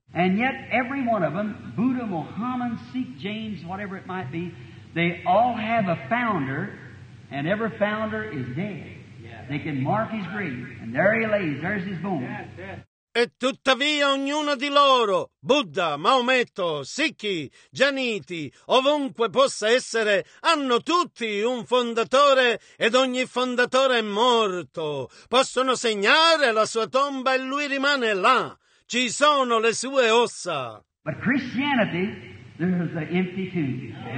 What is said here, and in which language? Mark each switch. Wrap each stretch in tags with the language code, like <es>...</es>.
<en>And yet every one of them, Buddha, Mohammed, Sikh, James, whatever it might be, they all have a founder, and every founder is dead. They can mark his grave, and there he lays, there's his bone.</en> <it>E tuttavia ognuno di loro, Buddha, Maometto, Sikhi, Janiti, ovunque possa essere, hanno tutti un fondatore ed ogni fondatore è morto. Possono segnare la sua tomba e lui rimane là. Ci sono le sue ossa.</it> <en>But Christianity, there's an empty tomb.</en>